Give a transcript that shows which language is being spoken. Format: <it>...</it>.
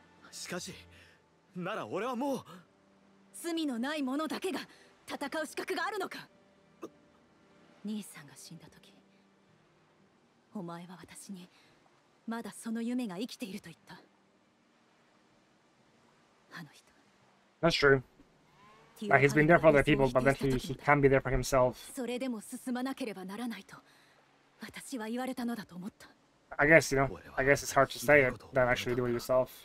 <ja>しかし、なら俺はもう罪のない者だけが戦う資格があるのか。兄さんが死んだ時、お前は私にまだその夢が生きていると言った。あの人。</ja> <en>That's true. Like, he's been there for other people, but then he can't be there for himself.</en> <ja>それでも進まなければならないと私は言われたのだと思った。</ja> <en>I guess, you know, I guess it's hard to say it than actually do it yourself.</en>